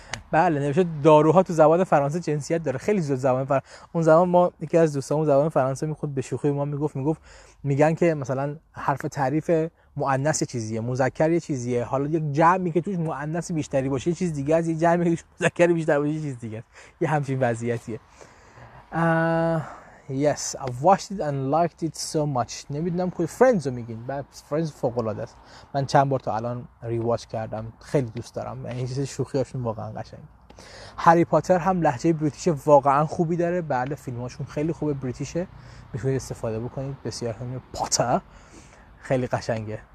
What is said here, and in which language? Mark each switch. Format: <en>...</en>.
<fa>بله نوشته داروها تو زبان فرانسه جنسیت داره. خیلی زود زبان فرانسه. اون زمان ما یکی از دوستامون زبان فرانسه میخود به شوخی ما میگفت میگن که مثلا حرف تعریف مؤنث یه چیزیه، مذکر یه چیزیه، حالا یک جمعی که توش مؤنث بیشتری باشه یه چیز دیگه است، یه جمعی که مذکر بیشتر باشه یه چیز دیگه است. یه همچین وضعیتیه.</fa> <en>Yes, I watched it and liked it so much.</en> <fa>نمیدونم که فرندز رو میگین. فرندز فوق‌العاده است. من چند بار تا الان ریواچ کردم. خیلی دوست دارم. این چیز شوخی هاشون واقعا قشنگ. هری پاتر هم لهجه بریتیش واقعا خوبی داره. بله فیلم هاشون خیلی خوبه بریتیشه. میتونید استفاده بکنید. بسیار خوبه. پاتر خیلی قشنگه.</fa>